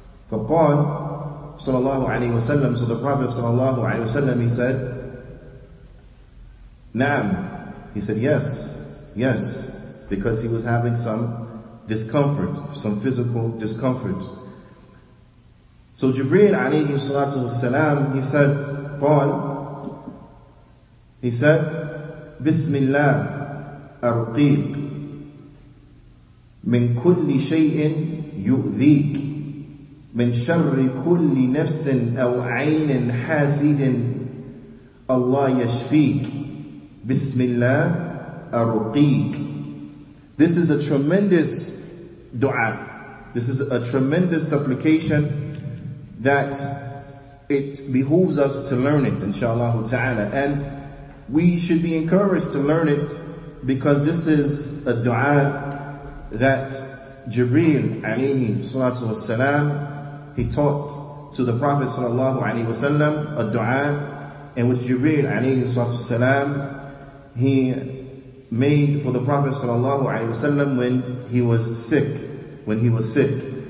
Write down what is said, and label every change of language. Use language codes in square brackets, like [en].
[ar] فَقَالْ صلى الله عليه وسلم [en] So the Prophet [ar] صلى الله عليه وسلم, [en] he said, [ar] نعم. [en] He said, yes, yes. Because he was having some discomfort, some physical discomfort. So Jibreel alayhi salatu wasalam, he said, [ar] قال, [en] he said, [ar] بسم الله أرقيك من كل شيء يؤذيك من شر كل نفس أو عين حاسد الله يشفيك بسم الله أرقيك [en] This is a tremendous dua. This is a tremendous supplication that it behooves us to learn it, inshallah ta'ala. And we should be encouraged to learn it because this is a dua that Jibreel alayhi salatu wasalam, he taught to the Prophet sallallahu alayhi wasallam, a dua in which Jibreel alayhi salatu wasalam, he made for the Prophet sallallahu alayhi wasallam when he was sick, when he was sick.